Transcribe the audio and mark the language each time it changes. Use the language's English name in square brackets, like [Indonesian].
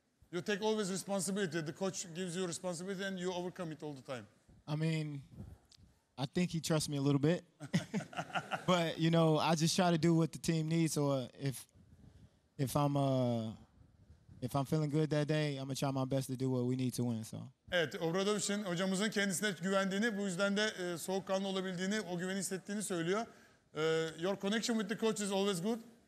[English] You take always responsibility. The coach gives you responsibility and you overcome it all the time. I mean, I think he trusts me a little bit. But, you know, I just try to do what the team needs. So if I'm feeling good that day, I'm going to try my best to do what we need to win. So. [Turkish] Evet, Obradovic'in hocamızın kendisine güvendiğini, bu yüzden de soğukkanlı olabildiğini, o güveni hissettiğini söylüyor. [English] Your connection with the coach is always good.